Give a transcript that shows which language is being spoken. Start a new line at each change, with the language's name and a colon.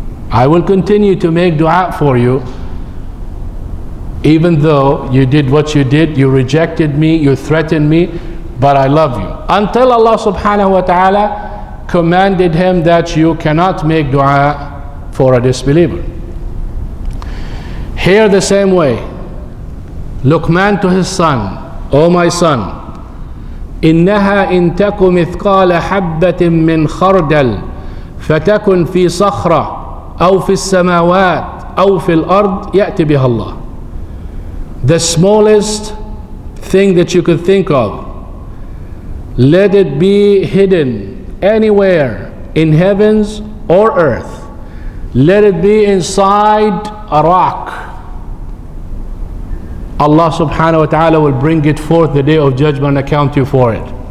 English: I will continue to make dua for you. Even though you did what you did, you rejected me, you threatened me, but I love you. Until Allah subhanahu wa ta'ala commanded him that you cannot make dua for a disbeliever. Here the same way, Luqman to his son, oh my son,
Arabic: إِنَّهَا إِنْ تَكُ مِثْقَالَ حَبَّةٍ مِّنْ خَرْدَلٍ فَتَكُنْ فِي صَخْرَةٍ أَوْ فِي السَّمَاوَاتِ أَوْ فِي الْأَرْضِ يَأْتِ بِهَا اللَّهِ.
English: The smallest thing that you could think of, let it be hidden anywhere in heavens or earth, let it be inside a rock, Allah subhanahu wa ta'ala will bring it forth the day of judgment and account you for it.